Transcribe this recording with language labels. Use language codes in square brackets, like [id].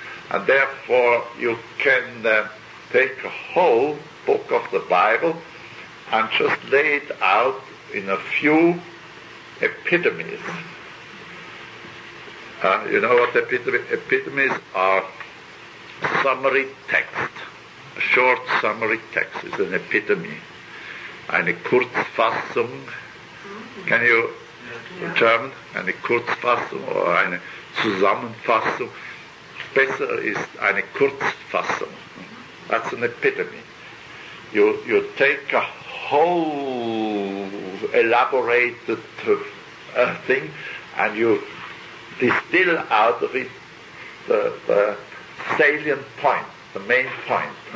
[en] And therefore, you can take a whole book of the Bible and just lay it out in a few epitomes. You know what epitomes are? Summary text. A short summary text is an epitome. [de] Eine Kurzfassung. [en] Can you, in German, [de] eine Kurzfassung [en] or [de] eine Zusammenfassung? Besser ist eine Kurzfassung. [en] That's an epitome. You take a whole elaborated thing and you distill out of it the salient point, the main point.